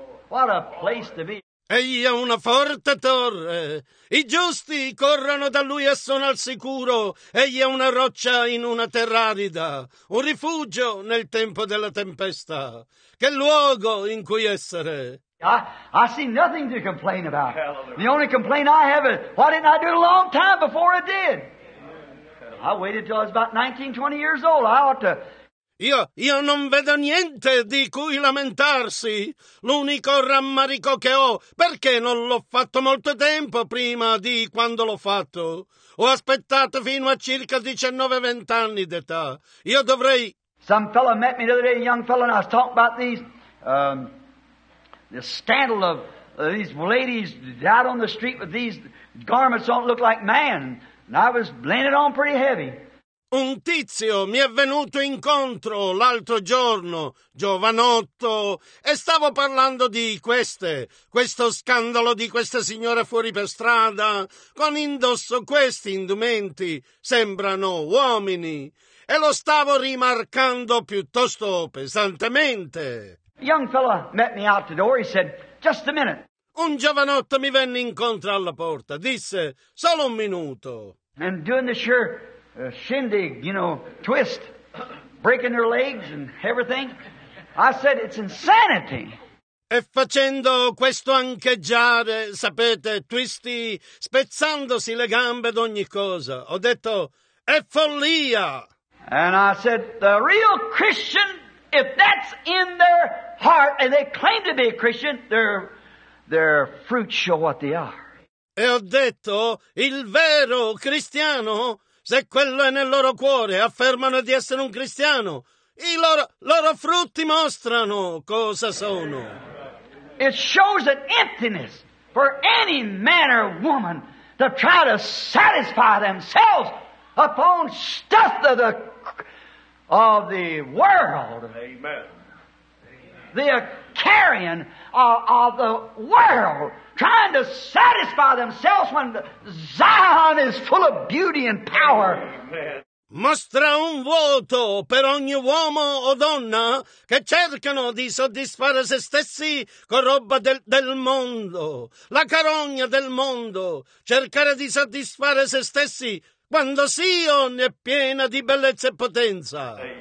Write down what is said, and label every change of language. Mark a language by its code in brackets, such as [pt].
[en] What a place to be. [it] Egli è una forte torre. I giusti corrono da Lui e sono al sicuro. Egli è una roccia in una terra arida, un rifugio nel tempo della tempesta. Che luogo in cui essere. [en] I see nothing to complain about. The only complaint I have is, why didn't I do it a long time before I did? I waited till I was about 19, 20 years old. I ought to. [it] Io non vedo niente di cui lamentarsi. L'unico rammarico che ho, perché non l'ho fatto molto tempo prima di quando l'ho fatto. Ho aspettato fino a circa 19-20 anni d'età. Io dovrei. [en] Some fellow met me the other day, a young fellow, and I was talking about these the scandal of these ladies out on the street with these garments don't look like man. And I was laying it on pretty heavy. [it] Un tizio mi è venuto incontro l'altro giorno, giovanotto, e stavo parlando di questo scandalo di questa signora fuori per strada, con indosso questi indumenti, sembrano uomini, e lo stavo rimarcando piuttosto pesantemente. [en] Young fellow met me out the door, he said, just a minute. [it] Un giovanotto mi venne incontro alla porta, disse, solo un minuto. [en] And doing the sure shindig, you know, twist, breaking their legs and everything. I said, it's insanity. [it] E facendo questo ancheggiare, sapete, twisty, spezzandosi le gambe d'ogni cosa. Ho detto, è follia. [en] And I said, the real Christian, if that's in their heart and they claim to be a Christian, their fruits show what they are. [it] E ho detto, il vero cristiano, se quello è nel loro cuore, affermano di essere un cristiano, I loro frutti mostrano cosa sono. [en] It shows an emptiness for any man or woman to try to satisfy themselves upon stuff of the world. Amen. The carrion of the world, trying to satisfy themselves when Zion is full of beauty and power. Amen. [it] Mostra un vuoto per ogni uomo o donna che cercano di soddisfare se stessi con roba del mondo, la carogna del mondo, cercare di soddisfare se stessi quando Sion è piena di bellezza e potenza.